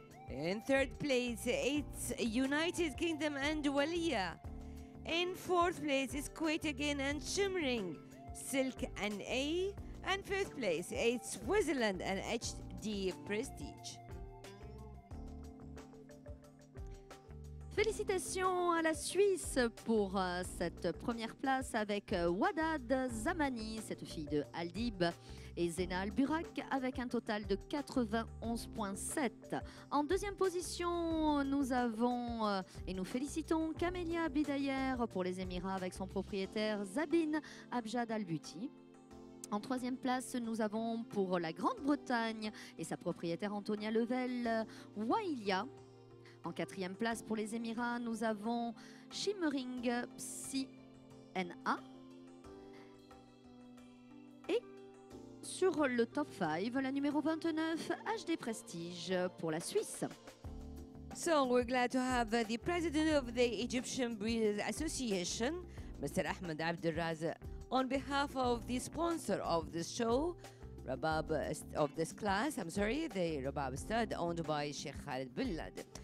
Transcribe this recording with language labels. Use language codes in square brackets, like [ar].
[en] In third place, it's United Kingdom and Walia. In fourth place, it's Kuwait again and Shimmering, Silk and A. And fifth place, it's Switzerland and HD Prestige. [fr] Félicitations à la Suisse pour cette première place avec Wadad Zamani, cette fille de Aldib, et Zena Al-Burak avec un total de 91.7. En deuxième position, nous avons et nous félicitons Camellia Bidayer pour les Émirats avec son propriétaire Zabine Abjad Al-Buti. En troisième place, nous avons pour la Grande-Bretagne et sa propriétaire Antonia Level, Wailia. En quatrième place, pour les Émirats, nous avons Shimmering PsyNA. Et sur le top 5, la numéro 29, HD Prestige pour la Suisse. [en] So, we're glad to have the president of the Egyptian Breeders Association, Mr. Ahmed Abdel Razi. On behalf of the sponsor of this show, Rabab of this class, I'm sorry, the Rabab Stud owned by Sheikh Khalid bin Laden.